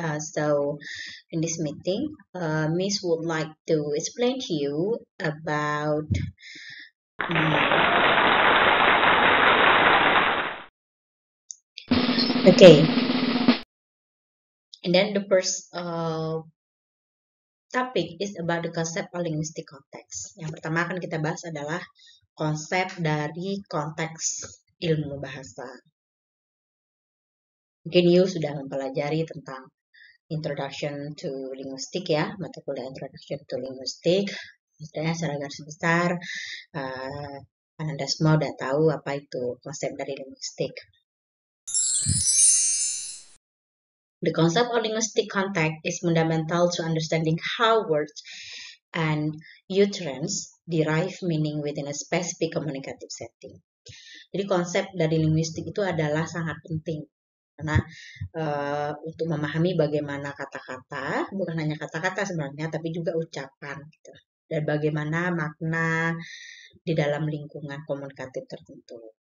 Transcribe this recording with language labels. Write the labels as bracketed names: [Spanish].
[English] So in this meeting, Miss would like to explain to you about okay. And then the first topic is about the concept of linguistic context. [Indonesian] Yang pertama akan kita bahas adalah konsep dari konteks ilmu bahasa. Mungkin you sudah mempelajari tentang introduction to linguistic ya, mata kuliah introduction to linguistic. Misalnya secara garis besar, Anda semua sudah tahu apa itu konsep dari linguistic. [English] The concept of linguistic context is fundamental to understanding how words and utterance derive meaning within a specific communicative setting. [Indonesian] Jadi konsep dari linguistik itu adalah sangat penting karena untuk memahami bagaimana kata-kata, bukan hanya kata-kata sebenarnya, tapi juga ucapan gitu, dan bagaimana makna di dalam lingkungan komunikatif tertentu.